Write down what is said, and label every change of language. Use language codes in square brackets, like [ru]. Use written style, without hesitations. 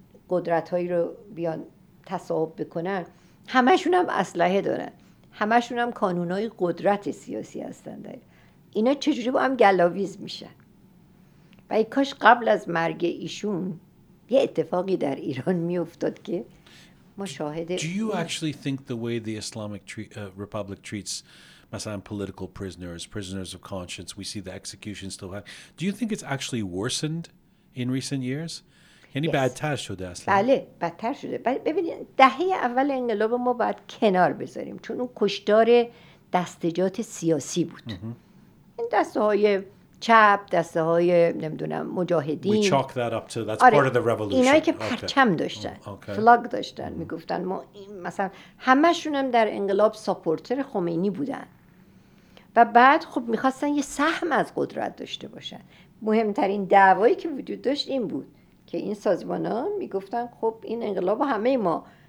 [fa] قدرت‌هایی رو بیان تصاحب بکنن همشون هم اسلحه دارن همشون هم کانونای قدرت سیاسی هستن دارن اینا چجوری با هم گلاویز میشن و ای کاش قبل از مرگ ایشون یه اتفاقی در ایران میافتاد که ما شاهد [en] Do you actually think the way the Islamic Republic treats مثلا political prisoners, prisoners of conscience, we see the execution still happening. Do you think it's actually worsened in recent years? [fa] یعنی بدتر شده اصلا بله بدتر شده ببینید دهه اول انقلاب ما باید کنار بذاریم چون اون کشتار دستجات سیاسی بود این دسته های چپ دسته های نمیدونم مجاهدین [en] We chalk that up to that's آره. part of the revolution [fa] اینایی که پرچم داشتن فلاگ داشتن میگفتن ما مثلا همه شون هم در انقلاب ساپورتر خمینی بودن و بعد خب میخواستن یه سهم از قدرت داشته باشن مهمترین دعوایی که وجود داشت این بود که این سازمان ها میگفتن خب این انقلاب همه ما